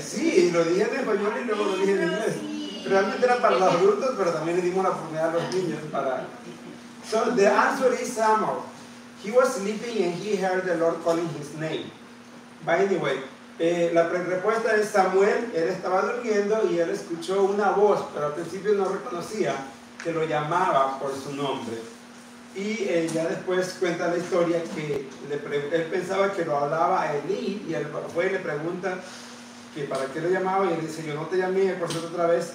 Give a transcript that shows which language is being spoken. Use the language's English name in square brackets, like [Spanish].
[Spanish] sí, lo dije en español y luego lo dije en inglés. Realmente era para los adultos, pero también le dimos la oportunidad a los niños para. [English] So the answer is Samuel. He was sleeping and he heard the Lord calling his name. By the way, [Spanish] la respuesta es Samuel. Él estaba durmiendo y él escuchó una voz, pero al principio no reconocía que lo llamaba por su nombre. Y ya después cuenta la historia que él pensaba que lo hablaba a Elí, y él fue y le pregunta que para qué lo llamaba, y él dice, yo no te llamé, por cierto, otra vez.